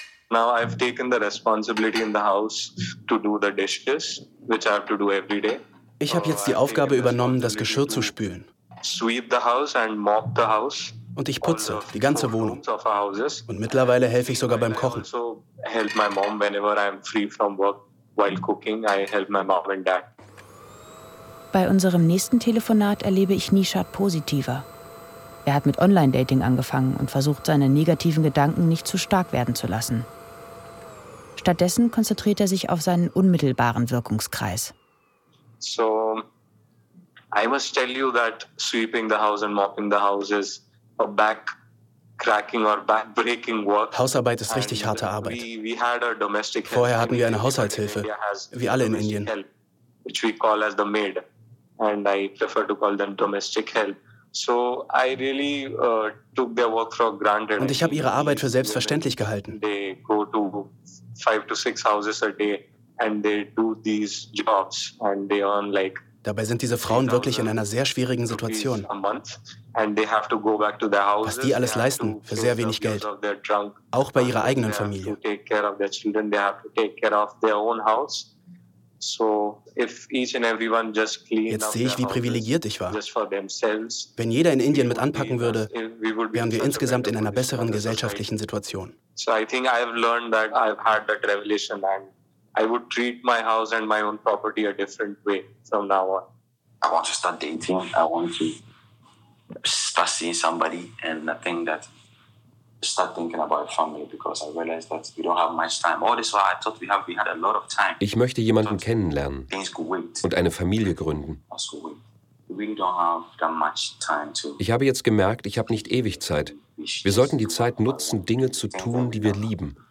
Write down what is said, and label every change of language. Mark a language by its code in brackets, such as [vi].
[en] Now I've taken the responsibility in the house to do the dishes, which I have to do every day. [de] Ich habe jetzt die Aufgabe übernommen, das Geschirr zu spülen. [en] Sweep the house and mop the house. [de] Und ich putze die ganze Wohnung. Und mittlerweile helfe ich sogar beim Kochen. [en] So help my mom whenever I'm free from work while cooking. I help my mom and dad. [de] Bei unserem nächsten Telefonat erlebe ich Nishad positiver. Er hat mit Online-Dating angefangen und versucht, seine negativen Gedanken nicht zu stark werden zu lassen. Stattdessen konzentriert er sich auf seinen unmittelbaren Wirkungskreis. [en] So, I must tell you that sweeping the house and mopping the house is a back-cracking or back-breaking work. [de] Hausarbeit ist richtig harte Arbeit. Vorher hatten wir eine Haushaltshilfe, wie alle in Indien. [en] Which we call as the maid. And I prefer to call them domestic help. So I really took their work for granted. [de] Und ich habe ihre Arbeit für selbstverständlich gehalten. [en] They go to 5 to 6 houses a day and they do these jobs and they earn like. [de] Dabei sind diese Frauen wirklich in einer sehr schwierigen Situation. [en] And they have to go back to their houses. [de] Was die alles leisten für sehr wenig Geld. Auch bei ihrer eigenen Familie. [en] They have to take care of their children. They have to take care of their own house. So if each and everyone just cleaned. [de] Jetzt sehe ich, wie privilegiert ich war. [en] Just for themselves. [de] Wenn jeder in Indien mit anpacken würde, wären wir insgesamt in einer besseren gesellschaftlichen Situation. [en] So I think I've learned that I've had that revelation and I would treat my house and my own property a different way from now on. I want to start dating. I want to start seeing somebody and I think that start thinking about family because I realized that we don't have much time. All this while I thought we had a lot of time. [de] Ich möchte jemanden kennenlernen und eine Familie gründen. [en] We don't have that much time to. [de] Ich habe jetzt gemerkt, ich habe nicht ewig Zeit. Wir sollten die Zeit nutzen, Dinge zu tun, die wir lieben.